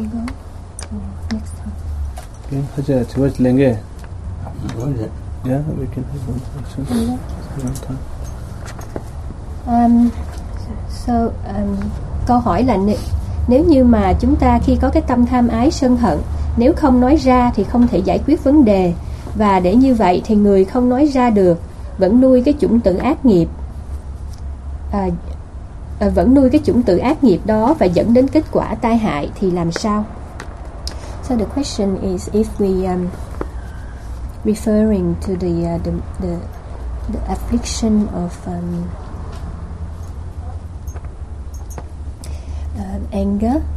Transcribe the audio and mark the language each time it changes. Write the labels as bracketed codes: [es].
[en] Do you have one question? time? Okay, Haja, towards Lenge. Yeah, we can have one question. [vi] Câu hỏi là nếu như mà chúng ta khi có cái tâm tham ái sân hận, nếu không nói ra thì không thể giải quyết vấn đề, và để như vậy thì người không nói ra được vẫn nuôi cái chủng tử ác nghiệp. Vẫn nuôi cái chủng tử ác nghiệp đó và dẫn đến kết quả tai hại thì làm sao? [en] So the question is, if we referring to the affliction of anger,